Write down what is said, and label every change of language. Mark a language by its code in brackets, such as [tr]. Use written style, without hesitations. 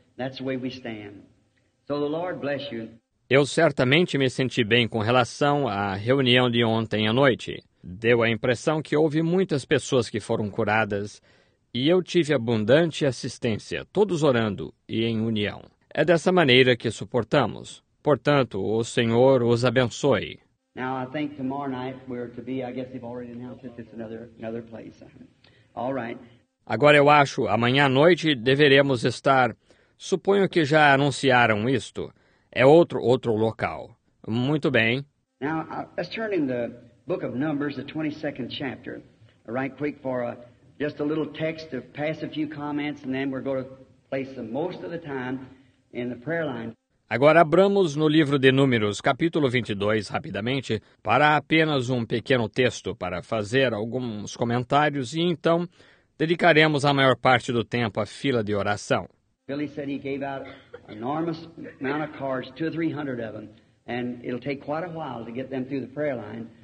[en] That's the way we stand. So the Lord bless you. [pt] Eu certamente me senti bem com relação à reunião de ontem à noite. Deu a impressão que houve muitas pessoas que foram curadas e eu tive abundante assistência, todos orando e em união. É dessa maneira que suportamos. Portanto, o Senhor os abençoe. [en] Now I think tomorrow night we're to be, I guess they've already announced it, it's another place. All right. [pt] Agora eu acho, amanhã à noite deveremos estar, suponho que já anunciaram isto, é outro local. Muito bem. [en] Now, let's turn in the book of Numbers, the 22nd chapter, right quick for just a little text to pass a few comments, and then we're going to place them most of the time in the prayer line. [pt] Agora abramos no livro de Números, capítulo 22, rapidamente, para apenas um pequeno texto para fazer alguns comentários e então dedicaremos a maior parte do tempo à fila de oração. [en] Billy said he gave out enormous amount of cards, 200 or 300 of them, and it'll take quite a while to get them through the prayer line.